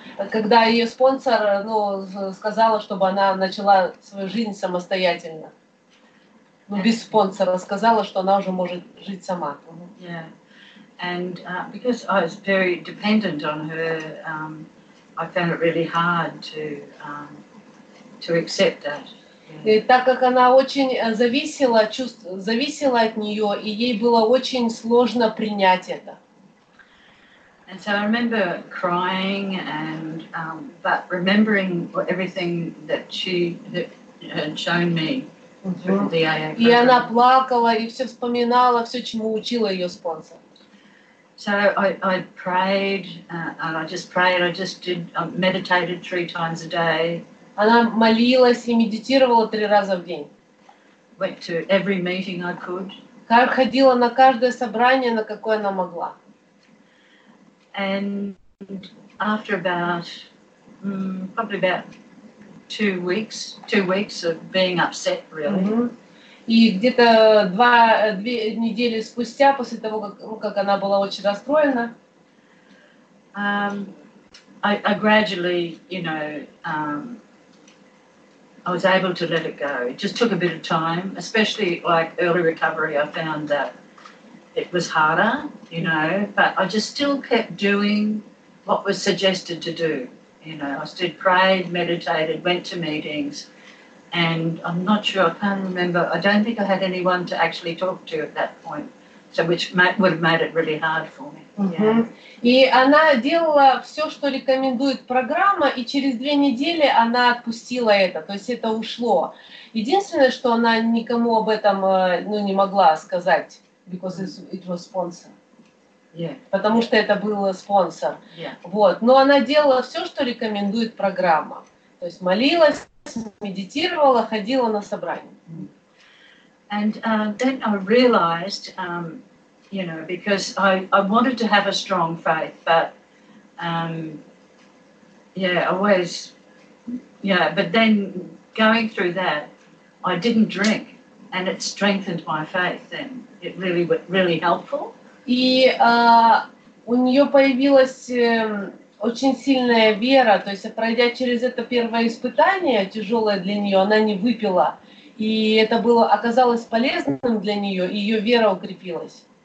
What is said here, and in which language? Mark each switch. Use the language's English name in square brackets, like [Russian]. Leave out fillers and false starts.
[Russian] когда ее спонсор, ну, сказала, чтобы она начала свою жизнь самостоятельно. Ну, без спонсора, сказала, что она уже может жить сама. [English] And because I was very dependent on her, I found it really hard to accept that. [Russian] И так как она очень зависела, зависела от нее, и ей было очень сложно принять это. [English] And so I remember crying and but remembering everything that she had shown me through the AA program. [Russian] И она плакала и все вспоминала, все, чему учила ее спонсор. [English] So I prayed and I just prayed, I just did, I meditated 3 times a day. [Russian] Она молилась и медитировала 3 раза в день. [English] Went to every meeting I could. [Russian] Как ходила на каждое собрание, на какое она могла. [English] And after about probably about 2 weeks, 2 weeks of being upset, really. Mm-hmm. [Russian] И где-то две недели спустя, после того, как она была очень расстроена, [English] I gradually, you know, I was able to let it go. It just took a bit of time, especially like early recovery. I found that it was harder, you know, but I just still kept doing what was suggested to do. You know, I still prayed, meditated, went to meetings, and I'm not sure, I can't remember, I don't think I had anyone to actually talk to at that point, so which would have made it really hard for me. Mm-hmm. Yeah. [Russian] И она делала все, что рекомендует программа, и через 2 недели она отпустила это, то есть это ушло. Единственное, что она никому об этом, ну, не могла сказать, [English] because it was sponsor. Yeah. [Russian] Потому что это был спонсор. [English] Yeah. [Russian] Вот. Но она делала все, что рекомендует программа. То есть молилась, медитировала, ходила на собрания. [English] And then I realized, you know, because I wanted to have a strong faith, but yeah, always, yeah, but then going through that, I didn't drink. And it strengthened my faith, and it really was really helpful. [Russian] И у нее появилась очень сильная вера. То есть, пройдя через это первое испытание, тяжелое для нее, она не выпила, и это было оказалось полезным для нее, и ее вера укрепилась.